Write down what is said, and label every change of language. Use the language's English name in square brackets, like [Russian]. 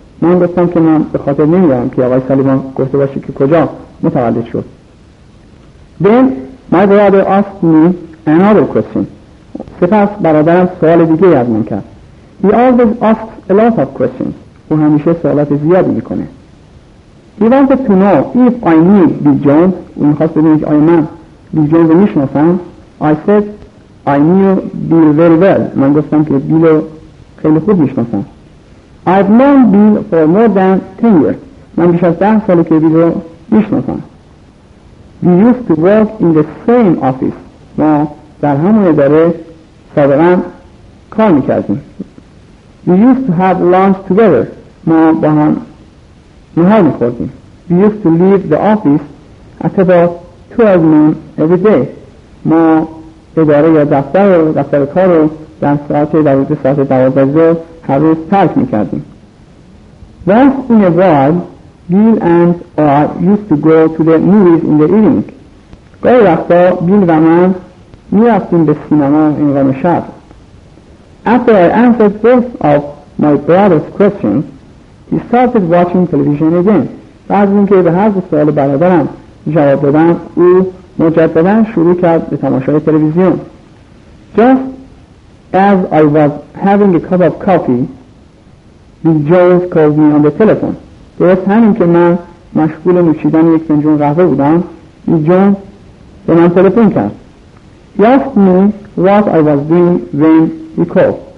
[Persian] من گفتم که من به خاطر نمیارم که آقای سالیوان گفته باشه که کجا متولد شد. [English] Then my brother asked me another question. [Persian] سپس برادرم سوال دیگه از من کرد. [English] He always asks a lot of questions. [Persian] او همیشه سوالات زیادی میکنه. [English] He wanted to know if I knew Bill Jones. [Persian] او میخواست بدونه که آیا من Bill Jones رو میشناسم. [English] I said I knew Bill very well. [Persian] من گفتم که Bill رو خیلی خوب میشناسم. [English] I've known Bill for more than 10 years. [Persian] من بیش از 10 ساله که Bill رو میشناسم. [English] We used to work in the same office. [Persian] ما در همون اداره سابقا کار میکردیم. [English] We used to have lunch together. [Persian] ما با هم نهار میخوردیم. [English] We used to leave the office at about 12 noon every day. [Persian] ما اداره یا دفتر رو، دفتر کار رو در ساعت دوازده ساعت دوازده ظهر هر روز ترک میکردیم. [English] Once in a while, Bill and I used to go to the movies in the evening. [Persian] گاهی وقتا Bill و من میرفتیم به سینما این غم شب. [English] After I answered both of my brother's questions, he started watching television again. [Persian] بعد از اینکه به هر دو سوال برادرم جواب دادم، او مجددا شروع کرد به تماشای تلویزیون. [English] Just as I was having a cup of coffee, Bill Jones called me on the telephone. [Persian] درست همین که من مشغول نوشیدن یک فنجون قهوه بودم، Bill Jones به من تلفن کرد. [English] He asked me what I was doing when he called.